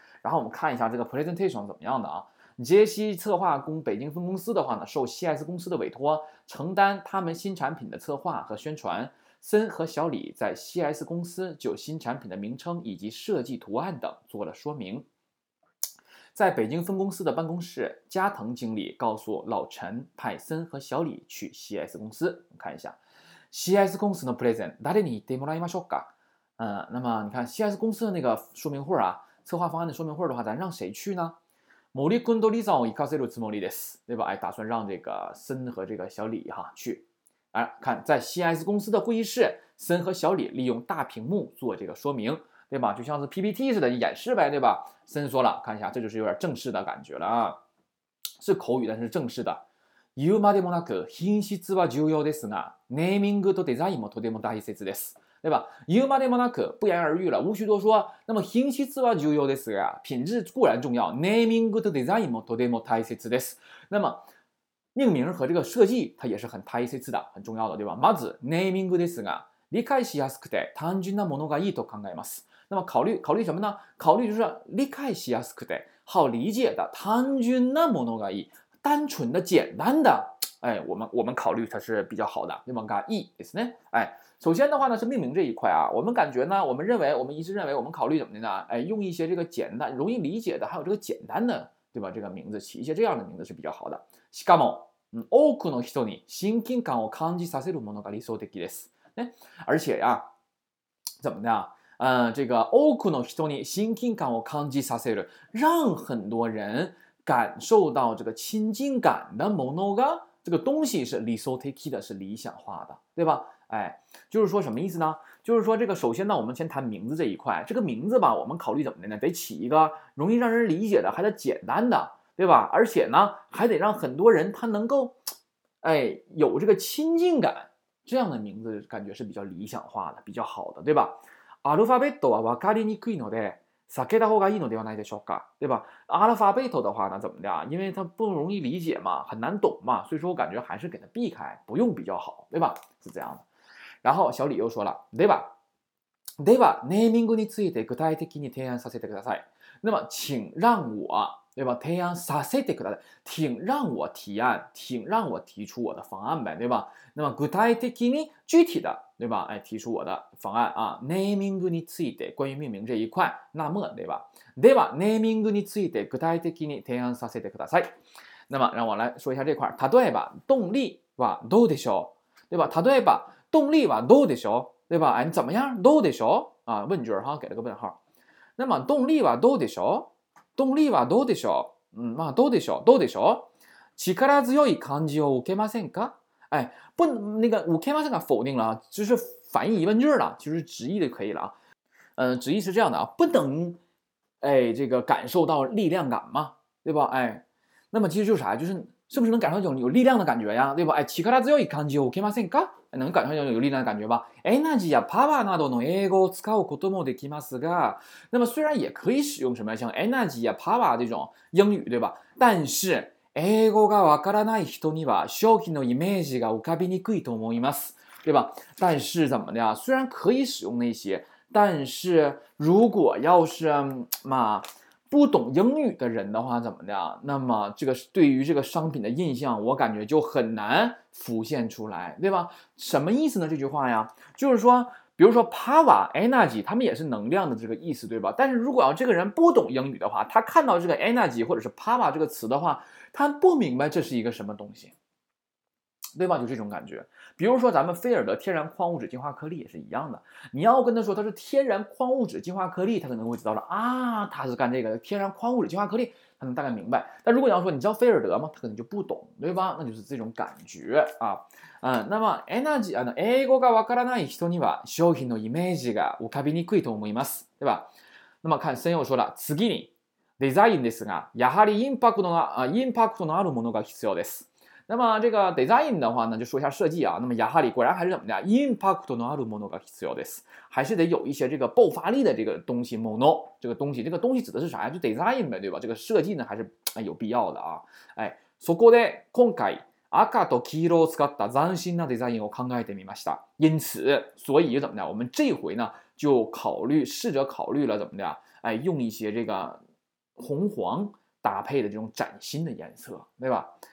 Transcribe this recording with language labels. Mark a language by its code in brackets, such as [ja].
[zh] 然后我们看一下这个 presentation 怎么样的啊。杰西策划公北京分公司的话呢，受 CS 公司的委托，承担他们新产品的策划和宣传。森和小李在 CS 公司就新产品的名称以及设计图案等做了说明。在北京分公司的办公室，加藤经理告诉老陈派森和小李去 CS 公司。看一下 CS 公司的 [ja] present 誰に行ってもらいましょうか。 [zh] 那么你看 CS 公司的那个说明会啊，策划方案的说明会的话，咱让谁去呢？ [ja] 森君とリザを行かせるつもりです，对吧？ [zh] 打算让这个森和这个小李哈去。看在 CS 公司的会议室，森和小李利用大屏幕做这个说明，对吧？就像是 PPT 似的演示呗，对吧？森说了，看一下，这就是有点正式的感觉了啊，是口语但是正式的。 [ja] 言うまでもなく品質は重要ですが、ネーミングとデザインもとても大切です，对吧？言うまでもなく [zh] 不言而喻了，无需多说。那么 [ja] 品質は重要ですが， [zh] 品质固然重要， [ja] ネーミングとデザインもとても大切です。 [zh] 那么命名和这个设计它也是很大切的，很重要的，对吧？ [ja] まずネーミングですが、理解しやすくて単純なものがいいと考えます。 [zh] 那么考虑什么呢？考虑就是 [ja] 理解しやすくて， [zh] 好理解的， [ja] 単純なものがいい， [zh] 单纯的，简单的，我们考虑它是比较好的，对吧？ [ja] がいいですね。 [zh] 首先的话呢是命名这一块啊，我们一直认为我们考虑怎么的呢？用一些这个简单容易理解的，还有这个简单的，对吧？这个名字起一些这样的名字是比较好的。 [ja] しかも、多くの人に親近感を感じさせるものが理想的です。 [zh] ね、而且呀、怎么的、这个 [ja] 多くの人に親近感を感じさせる， [zh] 让很多人感受到这个亲近感的ものが，这个东西是理想的，是理想化的，对吧？就是说什么意思呢？就是说这个首先呢，我们先谈名字这一块。这个名字吧，我们考虑怎么的呢？得起一个容易让人理解的，还得简单的，对吧？而且呢，还得让很多人他能够，有这个亲近感。这样的名字感觉是比较理想化的，比较好的，对吧？ [ja] アルファベットはわかりにくいので避けた方がいいのではないでしょうか，对吧？ [zh] アルファベット的话呢，怎么的？因为它不容易理解嘛，很难懂嘛，所以说我感觉还是给它避开，不用比较好，对吧？是这样的。然后小李又说了， [ja] では、ネーミングについて具体的に提案させてください。 [zh] 那么，请让我，对吧？ [ja] 提案させてください， [zh] 请让我提案，请让我提出我的方案呗，对吧？那么具体的に，具体的，对吧？提出我的方案啊。 [ja] ネーミングについて， [zh] 关于命名这一块，那么，对吧？ [ja] では、ネーミングについて具体的に提案させてください。 [zh] 那么，让我来说一下这块。 [ja] 例えば、动力はどうでしょう？ [zh] 对吧？例えば。动力吧， [ja] どうでしょう， [zh] 对吧？你怎么样？ [ja] どうでしょう [zh] 啊？问句哈，给了个问号。那么动力吧， [ja] どうでしょう？动力吧，どうでしょう？どうでしょう？どうでしょう？力強い感じを受けませんか？ [zh] 不，那个 [ja] 受けませんか [zh] 否定了，就是反义疑问句了，其实直译就可以了啊。直译是这样的啊，不能，这个感受到力量感吗？对吧？那么其实就是啥？就是是不是能感受到有力量的感觉呀？对吧？ [ja] 力強い感じを受けませんか？ [zh] 能感受到有力量的感觉吧。 [ja] エナジーやパワーなどの英語を使うこともできますが， [zh] 那么虽然也可以使用什么像エナジーやパワー这种英语，对吧？ [ja] 但是英語がわからない人には商品のイメージが浮かびにくいと思います，对吧？ [zh] 但是怎么的呀？虽然可以使用那些，但是如果要是嘛不懂英语的人的话，怎么的？那么这个对于这个商品的印象，我感觉就很难浮现出来，对吧？什么意思呢？这句话呀，就是说，比如说 power energy， 他们也是能量的这个意思，对吧？但是如果要这个人不懂英语的话，他看到这个 energy 或者是 power 这个词的话，他不明白这是一个什么东西，对吧？就这种感觉。比如说咱们菲尔德天然矿物质净化颗粒也是一样的，你要跟他说它是天然矿物质净化颗粒，他可能会知道了啊，他是干这个天然矿物质净化颗粒，他能大概明白。但如果你要说你知道菲尔德吗，他可能就不懂，对吧？那就是这种感觉啊。嗯，那么 energy 啊， [ja] 英语がわからない人には商品のイメージが浮かびにくいと思います，对吧？ [zh] 那么看森友说了， [ja] 次にデザインですが、やはりインパクトのインパクトのあるものが必要です。 [zh] 那么这个 design 的话呢，就说一下设计啊。那么やはり果然还是怎么的 ？ [ja] impact のあるものが必要です。 [zh] 还是得有一些这个爆发力的这个东西。mono 这个东西，这个东西指的是啥呀？就 design 呗，对吧？这个设计呢还是有必要的啊。 [ja] 哎，そこで今回赤と黄色を使った斬新なデザインを考えてみました。 [zh] 因此，所以怎么的？我们这回呢就考虑试着考虑了怎么的？哎，用一些这个红黄搭配的这种崭新的颜色，对吧？